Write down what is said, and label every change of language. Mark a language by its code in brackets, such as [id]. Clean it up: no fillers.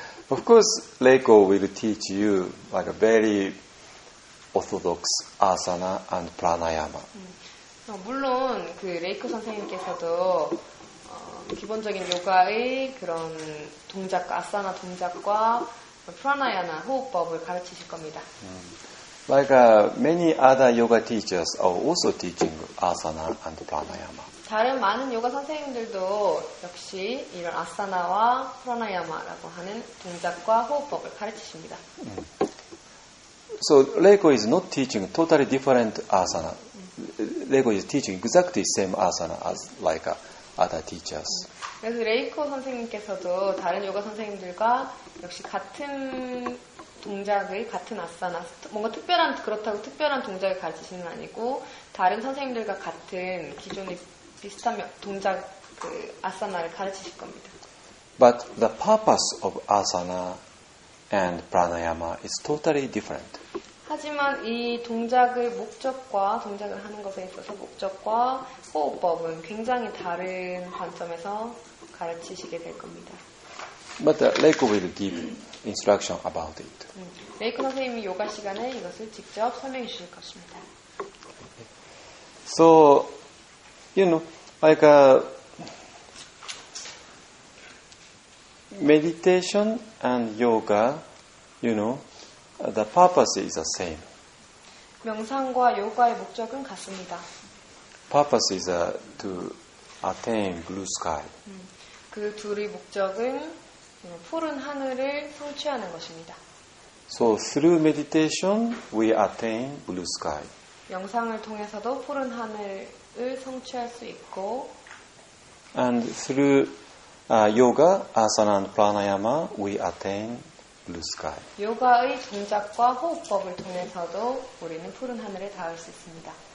[en] Of course, Reiko will teach you like a very orthodox asana and pranayama. [ko] 물론 그 레이크 선생님께서도 기본적인 요가의 그런 동작, 아사나 동작과 프라나야나 호흡법을 가르치실 겁니다. [en] Like many other yoga teachers are also teaching asana and pranayama. [ko] 다른 많은 요가 선생님들도 역시 이런 아사나와 프라나야마라고 하는 동작과 호흡법을 가르치십니다. [en] So Reiko is not teaching totally different asana. Reiko is teaching exactly same asana as like other teachers. [ko] 그래서 레이코 선생님께서도 다른 요가 선생님들과 역시 같은 동작의 같은 아사나 뭔가 특별한 그렇다고 특별한 동작을 가르치시는 아니고 다른 선생님들과 같은 기존의 비슷한 동작 그 아사나를 가르치실 겁니다. [en] But the purpose of asana and pranayama is totally different. [ko] 하지만 이 동작을 목적과 동작을 하는 것에 있어서 목적과 호흡법은 굉장히 다른 관점에서 가르치시게 될 겁니다. [en] But Reiko will give instruction about it. [ko] 레이코 선생님이 요가 시간에 이것을 직접 설명해 주실 것입니다. [en] So, you know, like a meditation and yoga, you know, the purpose is the same. [ko] 명상과 요가의 목적은 같습니다. [en] Purpose is to attain blue sky. [ko] 그 둘의 목적은 푸른 하늘을 성취하는 것입니다. [en] So through meditation, we attain blue sky. [ko] 명상을 통해서도 푸른 하늘을 성취할 수 있고, [en] and through yoga, asana, and pranayama, we attain blue sky. [ko] 요가의 동작과 호흡법을 통해서도 우리는 푸른 하늘에 닿을 수 있습니다.